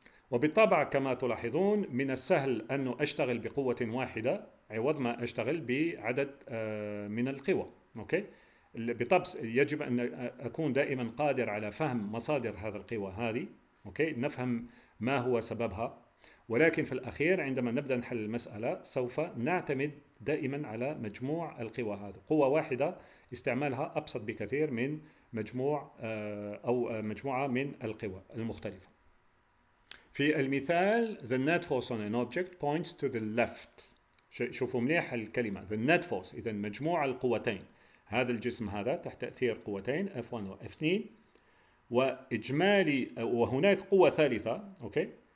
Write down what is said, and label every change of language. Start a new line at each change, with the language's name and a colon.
Arabic: وبالطبع كما تلاحظون من السهل أن أشتغل بقوة واحدة عوض ما أشتغل بعدد من القوى، أوكي؟ بالطبع يجب أن أكون دائما قادر على فهم مصادر هذا القوى هذه، أوكي؟ نفهم ما هو سببها، ولكن في الأخير عندما نبدأ نحل المسألة سوف نعتمد دائما على مجموع القوى هذه. قوة واحدة استعمالها أبسط بكثير من مجموع أو مجموعة من القوى المختلفة. في المثال
English: the net force on an object points to the left.
Arabic: شوفوا مليح الكلمة
English: the net force،
Arabic: إذن مجموع القوتين، هذا الجسم هذا تحت تأثير قوتين F1 و F2، وإجمالي وهناك قوة ثالثة، أوكي،